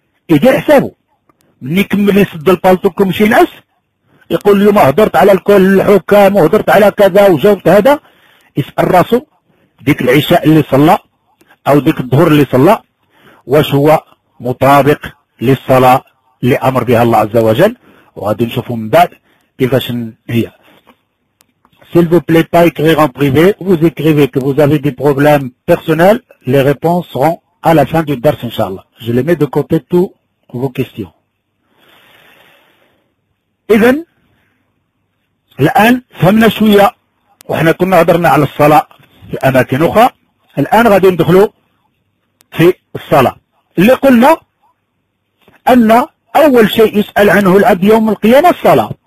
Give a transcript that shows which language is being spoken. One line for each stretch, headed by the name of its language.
Arabic: يدير حسابه من يكمل يسد البالطو كيمشي ينعس، يقول اليوم هضرت على الكل الحكام وهضرت على كذا وجاوبت هذا، يسأل راسه ديك العشاء اللي صلى او ديك الظهر اللي صلى واش هو مطابق للصلاة اللي امر بها الله عز وجل، وغادي نشوفوا من بعد كيفاش هي.
French: S'il vous plaît, pas écrire en privé. Vous écrivez que vous avez des problèmes personnels. Les réponses seront à la fin du dars, inshallah. Je les mets de côté toutes vos questions.
Arabic: إذن الآن فهمنا شوية وحنا كنا هضرنا على الصلاة في أماكن أخرى. الآن غادي ندخلوا في الصلاة اللي قلنا أن أول شيء يسأل عنه العبد يوم القيامة الصلاة.